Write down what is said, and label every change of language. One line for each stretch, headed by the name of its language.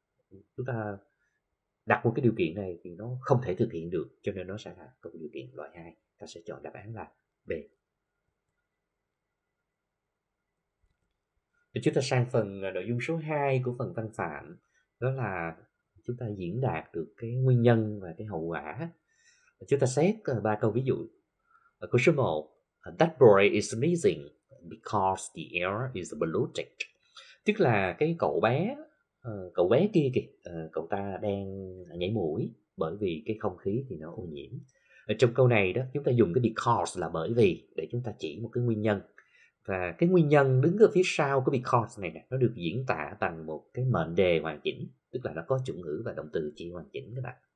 Vietnamese: Chúng ta đặt một cái điều kiện này thì nó không thể thực hiện được, cho nên nó sẽ là một điều kiện loại 2. Ta sẽ chọn đáp án là B. Để chúng ta sang phần nội dung số 2 của phần văn phạm, đó là chúng ta diễn đạt được cái nguyên nhân và cái hậu quả. Chúng ta xét ba câu ví dụ. Câu số 1.
English: That boy is sneezing because the air is polluted.
Vietnamese: Tức là cái cậu bé kia kìa, cậu ta đang nhảy mũi bởi vì cái không khí thì nó ô nhiễm. Trong câu này đó, chúng ta dùng cái because là bởi vì để chúng ta chỉ một cái nguyên nhân. Và cái nguyên nhân đứng ở phía sau cái because này nè, nó được diễn tả bằng một cái mệnh đề hoàn chỉnh, tức là nó có chủ ngữ và động từ chỉ hoàn chỉnh các bạn.